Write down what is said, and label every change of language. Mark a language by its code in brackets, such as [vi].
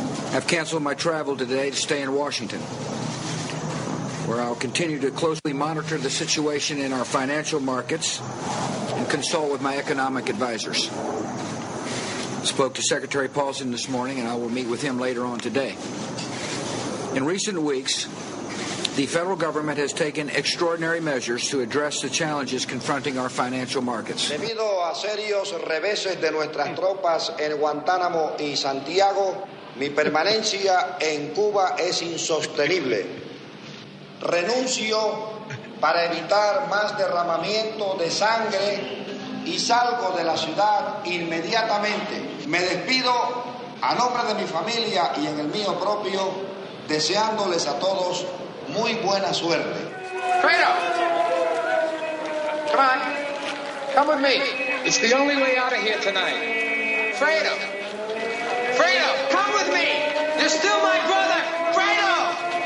[en] I've canceled my travel today to stay in Washington, where I'll continue to closely monitor the situation in our financial markets and consult with my economic advisors. I spoke to Secretary Paulson this morning, and I will meet with him later on today. In recent weeks, the federal government has taken extraordinary measures to address the challenges confronting our financial markets. [es] Debido a serios reveses de nuestras tropas en Guantánamo y Santiago, mi permanencia en Cuba es insostenible. Renuncio para evitar más derramamiento de sangre y salgo de la ciudad inmediatamente. Me despido a nombre de mi familia y en el mío propio, deseándoles a todos muy buena suerte. [en] Traitor! Come on. Come with me. It's the only way out of here tonight. Traitor! Traitor! Come with me! You're still my brother!